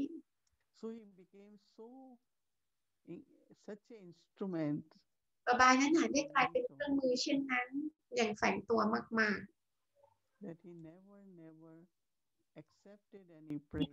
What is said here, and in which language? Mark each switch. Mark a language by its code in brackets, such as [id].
[en] So he became so such an instrument. [th] บาบานั้นหันได้กลายเป็นเครื่องมือเช่นนั้นอย่างแฝงตัวมากๆ [en] That he never accepted any praise.